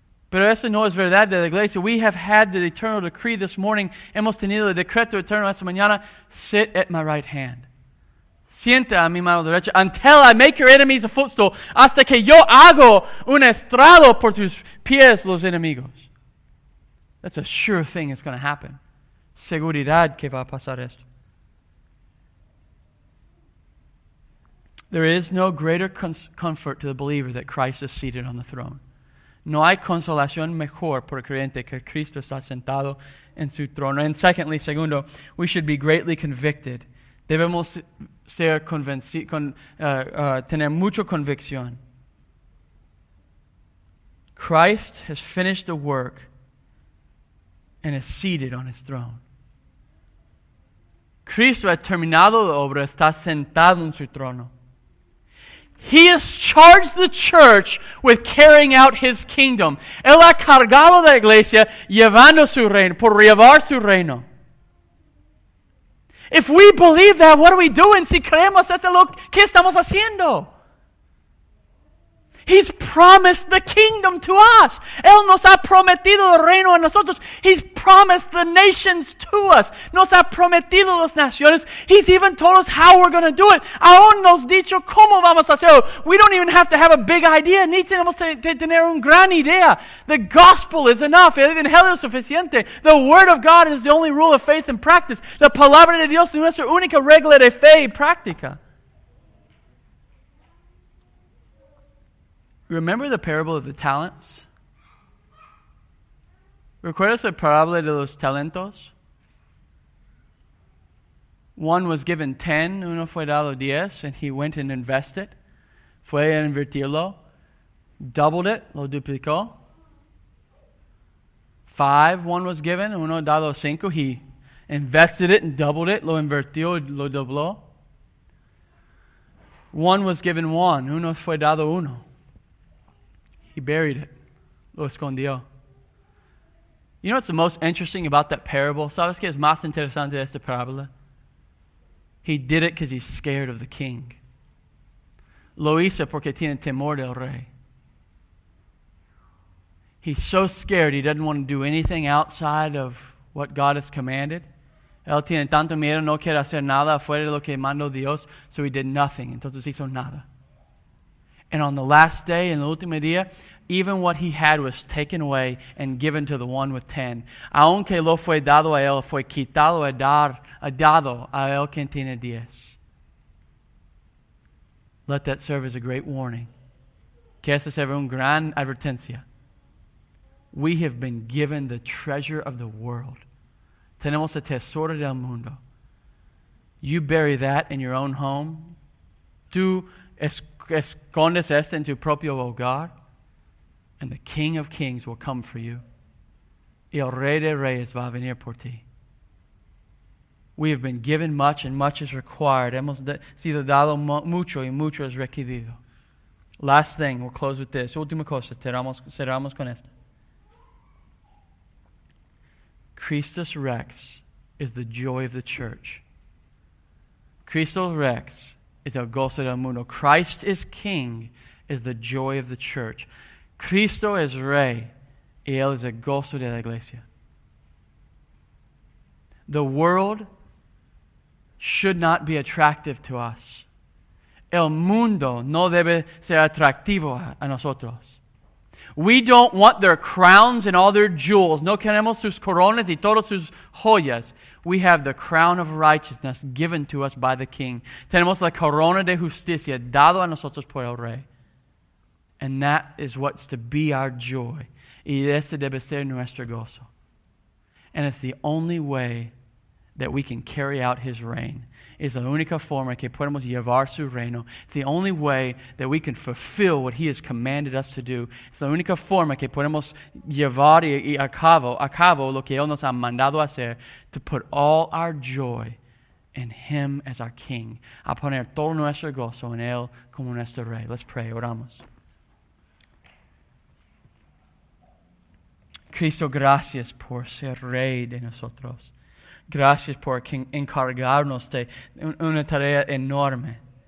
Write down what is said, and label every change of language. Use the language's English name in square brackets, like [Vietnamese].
[Spanish] Pero eso no es verdad de la iglesia. [English] We have had the eternal decree this morning. [Spanish] Hemos tenido el decreto eterno esta mañana. [English] Sit at my right hand. [Spanish] Sienta a mi mano derecha. [English] Until I make your enemies a footstool. [Spanish] Hasta que yo hago un estrado por tus pies los enemigos. [English] That's a sure thing it's going to happen. [Spanish] Seguridad que va a pasar esto. [English] There is no greater comfort to the believer that Christ is seated on the throne. [Spanish] No hay consolación mejor por el creyente que Cristo está sentado en su trono. [English] And secondly, [Spanish] segundo, [English] we should be greatly convicted. [Spanish] Debemos ser tener mucha convicción. [English] Christ has finished the work and is seated on his throne. [Spanish] Cristo ha terminado la obra, está sentado en su trono. [English] He has charged the church with carrying out his kingdom. [Spanish] Él ha cargado la iglesia llevando su reino, por llevar su reino. [English] If we believe that, what are we doing? [Spanish] Si creemos eso, ¿qué estamos haciendo? [English] He's promised the kingdom to us. [Spanish] Él nos ha prometido el reino a nosotros. [English] He's promised the nations to us. [Spanish] Nos ha prometido las naciones. [English] He's even told us how we're going to do it. [Spanish] Aún nos ha dicho cómo vamos a hacerlo. [English] We don't even have to have a big idea. [Spanish] Ni tenemos que tener una gran idea. [English] The gospel is enough. [Spanish] El evangelio es suficiente. [English] The word of God is the only rule of faith and practice. [Spanish] La palabra de Dios es nuestra única regla de fe y práctica. [English] Remember the parable of the talents? [Spanish] ¿Recuerdas la parábola de los talentos? [English] One was given 10, [Spanish] uno fue dado 10, [English] and he went and invested. [Spanish] Fue a invertirlo. [English] Doubled it, [Spanish] lo duplicó. [English] 5, one was given, [Spanish] uno dado 5, [English] he invested it and doubled it, [Spanish] lo invirtió, lo dobló. [English] One was given 1, [Spanish] uno fue dado 1. [English] He buried it. [Spanish] Lo escondió. [English] You know what's the most interesting about that parable? [Spanish] ¿Sabes qué es más interesante de esta parábola? [English] He did it because he's scared of the king. [Spanish] Lo hizo porque tiene temor del rey. [English] He's so scared he doesn't want to do anything outside of what God has commanded. [Spanish] Él tiene tanto miedo, no quiere hacer nada afuera de lo que mandó Dios. [English] So he did nothing. [Spanish] Entonces hizo nada. [English] And on the last day, [Spanish] en el último día, [English] even what he had was taken away and given to the one with 10. [Spanish] Aunque lo fue dado a él, fue quitado a dar, a dado a él quien tiene 10. [English] Let that serve as a great warning. [Spanish] Que esta sea una gran advertencia. [English] We have been given the treasure of the world. [Spanish] Tenemos el tesoro del mundo. [English] You bury that in your own home. [Spanish] Tú escondes esto en tu propio hogar. [English] And the King of Kings will come for you. [Spanish] Y el Rey de Reyes va a venir por ti. [English] We have been given much and much is required. [Spanish] Hemos sido dado mucho y mucho es requerido. [English] Last thing, we'll close with this. [Spanish] Última cosa, cerramos con esto. [English] Christus Rex is the joy of the church. Christus Rex is [Spanish] el gozo del mundo. [English] Christ is King is the joy of the church. [Spanish] Cristo es rey, y él es el gozo de la iglesia. [English] The world should not be attractive to us. [Spanish] El mundo no debe ser atractivo a nosotros. [English] We don't want their crowns and all their jewels. [Spanish] No queremos sus coronas y todas sus joyas. [English] We have the crown of righteousness given to us by the King. [Spanish] Tenemos la corona de justicia dado a nosotros por el rey. [English] And that is what's to be our joy. [Spanish] Y ese debe ser nuestro gozo. [English] And it's the only way that we can carry out his reign. [Spanish] Es la única forma que podemos llevar su reino. [English] It's the only way that we can fulfill what he has commanded us to do. [Spanish] Es la única forma que podemos llevar y a cabo lo que él nos ha mandado hacer. [English] To put all our joy in him as our king. [Spanish] A poner todo nuestro gozo en él como nuestro rey. [English] Let's pray. [Spanish] Oramos. Cristo, gracias por ser rey de nosotros. Gracias por encargarnos de una tarea enorme.